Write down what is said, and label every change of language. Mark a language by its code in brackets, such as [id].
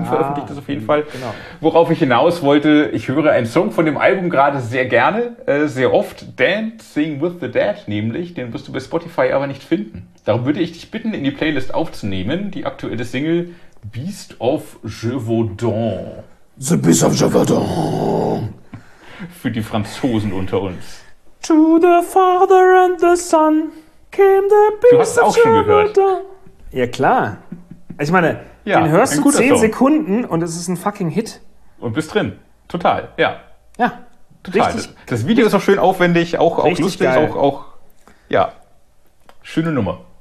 [de] Unveröffentlichtes auf jeden Fall. Genau. Worauf ich hinaus wollte, ich höre einen Song von dem Album gerade sehr gerne, sehr oft. Dancing with the Dead nämlich. Den wirst du bei Spotify aber nicht finden. Darum würde ich dich bitten, in die Playlist aufzunehmen, die aktuelle Single Beast of Gévaudan. [en] The Beast of Gévaudan. [de] Für die Franzosen unter uns. [en] To the Father and the Son came the Beast. [de] Du hast auch schon gehört. Ja, klar. Ich meine, ja, den hörst du 10 Sekunden und es ist ein fucking Hit. Und bist drin. Total, ja. Ja, total. Richtig. Das Video ist auch schön aufwendig, auch lustig. Geil. Auch, ja, schöne Nummer.